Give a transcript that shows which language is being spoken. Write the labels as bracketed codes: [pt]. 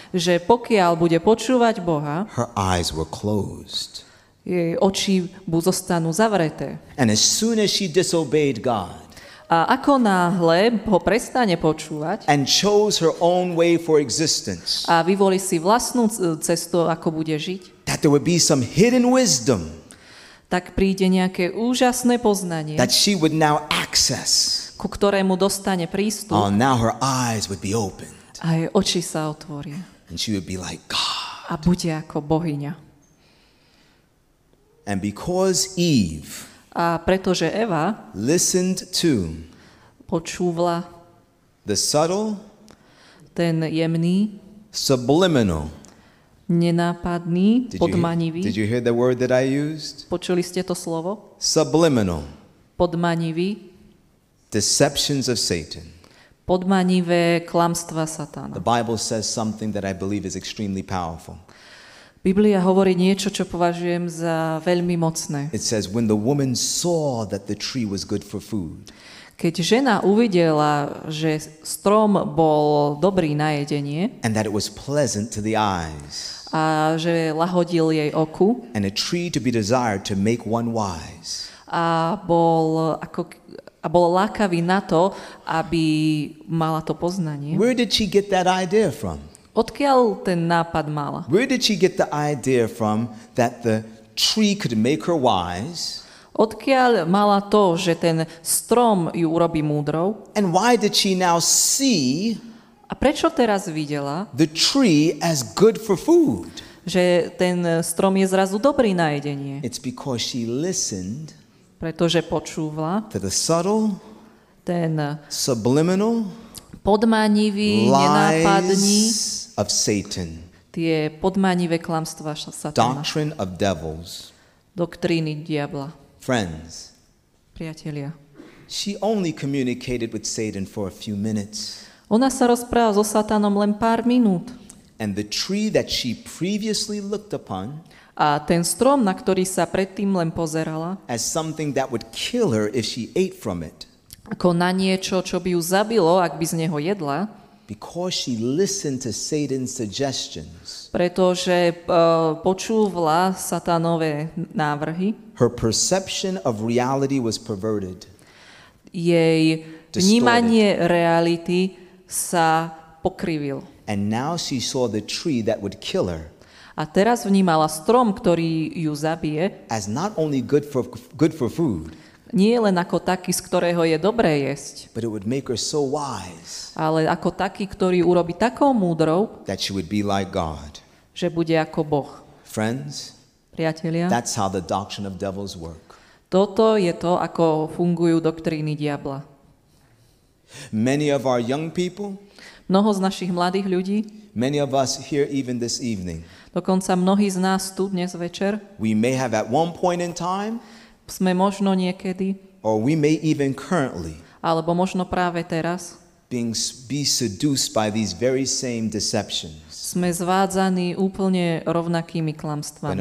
[sk] že pokiaľ bude počúvať Boha, [en] her eyes were closed. [sk] Jej oči mu zostanú zavreté. [en] And as soon as she disobeyed God, [sk] a ako náhle ho prestane počúvať, [en] and chose her own way for existence, [sk] a vyvolí si vlastnú cestu, ako bude žiť, [en] that there would be some hidden wisdom, [sk] tak príde nejaké úžasné poznanie, [en] that she would now access, [sk] ku ktorému dostane prístup. [en] Oh, now her eyes would be opened. [sk] A jej oči sa otvoria. [en] And she would be like God. [sk] A bude ako bohyňa. [en] And because Eve, [sk] a pretože Eva, [en] listened to, [sk] počúvla, [en] the subtle, [sk] ten jemný, [en] subliminal, [sk] nenápadný, podmanivý. [en] Did you hear the word that I used? [sk] Počuli ste to slovo? [en] Subliminal. [sk] Podmanivý. [en] Deceptions of Satan. [sk] Podmanivé klamstva Satana. [en] The Bible says something that I believe is extremely powerful. [sk] Biblia hovorí niečo, čo považujem za veľmi mocné. [en] It says when the woman saw that the tree was good for food. [sk] Keď žena uvidela, že strom bol dobrý na jedenie. [en] And that it was pleasant to the eyes. [sk] A že lahodil jej oku. [en] And a tree to be desired to make one wise. [sk] A bol ako a bol lákavý na to, aby mala to poznanie. [en] Where did she get that idea from? [sk] Odkiaľ ten nápad mala? [en] Where did she get the idea from that the tree could make her wise? [sk] Odkiaľ mala to, že ten strom ju urobí múdrou? [en] And why did she now see? [sk] A prečo teraz videla? [en] The tree as good for food. [sk] Že ten strom je zrazu dobrý na jedenie. [en] It's because she listened. [sk] Pretože počúvala [en] the subtle, [sk] ten [en] subliminal, [sk] podmanivý, nenápadný [en] of Satan, [sk] tie podmanivé klamstva Satana, [en] doctrine of devils, [sk] doktríny diabla. [en] Friends, [sk] priatelia, [en] she only communicated with Satan for a few minutes, [sk] ona sa rozprávala so Satanom len pár minút, [en] and the tree that she previously looked upon, [sk] a ten strom, na ktorý sa predtým len pozerala, [en] as something that would kill her if she ate from it, [sk] ako na niečo, čo by ju zabilo, ak by z neho jedla, [en] because she listened to Satan's suggestions, [sk] pretože počúvala Satanove návrhy, [en] her perception of reality was perverted, [sk] jej vnímanie reality sa pokrivil, [en] and now she saw the tree that would kill her, [sk] a teraz vnímala strom, ktorý ju zabije, [en] as not only good for food, [sk] nie len ako taký, z ktorého je dobré jesť, [en] but it would make her so wise, [sk] ale ako taký, ktorý urobí takou múdrou, [en] that she would be like God, [sk] že bude ako Boh. [en] Friends, [sk] priatelia, [en] that's how the doctrine of devils work. [sk] Toto je to, ako fungujú doktríny diabla. [en] Many of our young people, [sk] mnoho z našich mladých ľudí, [en] many of us here even this evening, [sk] dokonca mnohí z nás tu dnes večer, [en] we may have at one point in time, [sk] sme možno niekedy, [en] or we may even currently, [sk] alebo možno práve teraz, [en] be seduced by these very same deceptions. [sk] Sme zvádzaní úplne rovnakými klamstvami.